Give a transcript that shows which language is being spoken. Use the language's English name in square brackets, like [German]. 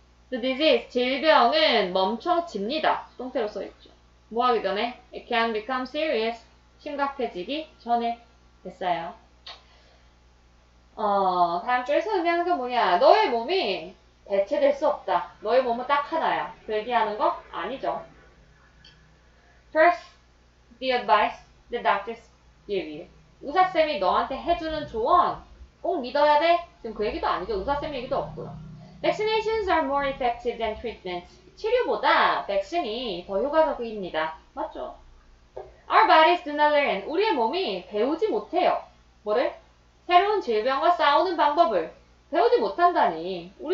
[English] The disease, [Korean] 질병은 멈춰집니다. 똥태로 써있죠. 뭐 하기 전에? [English] It can become serious. [Korean] 심각해지기 전에. 됐어요. 다음 줄 의미하는 게 뭐냐? 너의 몸이 대체될 수 없다. 너의 몸은 딱 하나야. 대기하는 거 아니죠. [English] First, the advice the doctors give you. [Korean] 의사쌤이 너한테 해주는 조언 꼭 믿어야 돼? 지금 그 얘기도 아니죠. 의사쌤 얘기도 없고요. [English] Vaccinations are more effective than treatments. [Korean] 치료보다 백신이 더 효과적입니다. 맞죠? [English] Our bodies do not learn. [Korean] 우리의 몸이 배우지 못해요. 뭐를? 새로운 질병과 싸우는 방법을 배우지 못한다니.